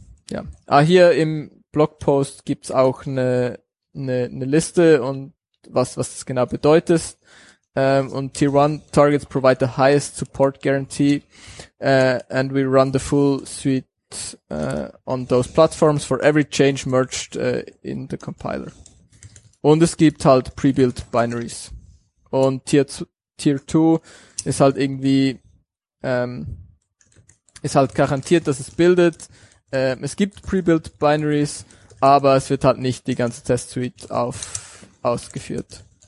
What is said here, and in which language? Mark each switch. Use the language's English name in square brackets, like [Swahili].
[German] Ja. Ah, hier im Blogpost gibt's auch eine Liste und was das genau bedeutet. [English] Und Tier 1 Targets provide the highest support guarantee. And we run the full suite on those platforms for every change merged in the compiler. [German] Und es gibt halt pre-built binaries. Und Tier 2 ist halt irgendwie, ist halt garantiert, dass es bildet. Es gibt pre-built binaries, aber es wird halt nicht die ganze Test Suite ausgeführt.